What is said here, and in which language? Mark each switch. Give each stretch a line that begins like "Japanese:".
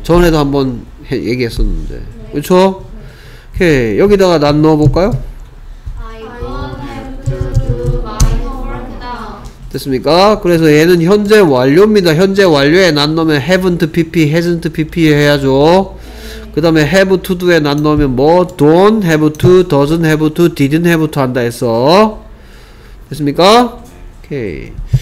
Korean: 전에도 한번 얘기했었는데. 네. 그쵸? 네. 오케이, 여기다가 난 넣어볼까요?
English: I don't have to do my homework now.
Korean: 됐습니까? 그래서 얘는 현재 완료입니다. 현재 완료에 난 넣으면 haven't pp, hasn't pp 해야죠. 그 다음에 have to do에 난 넣으면 뭐
English: don't have to, doesn't have to, didn't have to
Korean: 한다 했어. 됐습니까? 오케이.